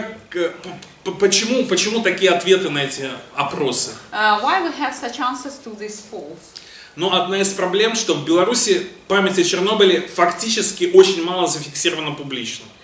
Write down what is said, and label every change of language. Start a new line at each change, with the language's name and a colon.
Russian: Почему такие ответы на эти опросы?
English: Why we have such answers to these polls?
Russian: Но одна из проблем, что в Беларуси память о Чернобыле фактически очень мало зафиксирована публично.